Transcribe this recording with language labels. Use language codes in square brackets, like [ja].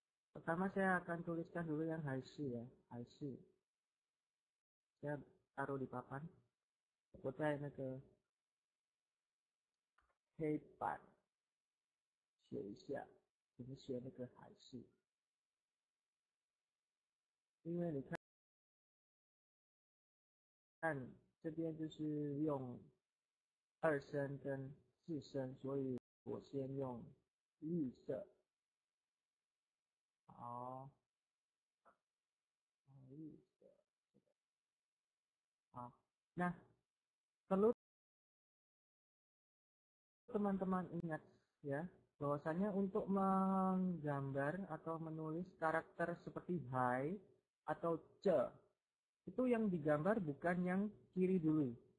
[id] Pertama saya akan tuliskan dulu yang 还是ya, 还是. Saya taruh di papan. Kota yang [zh] 那个黑板写一下，怎么写那个还是？因为你看这边就是用二声跟四声，所以我先用绿色。好，那 [id] perlu teman-teman ingat ya, bahwasanya untuk menggambar atau menulis karakter seperti hai atau ce, itu yang digambar bukan yang kiri dulu.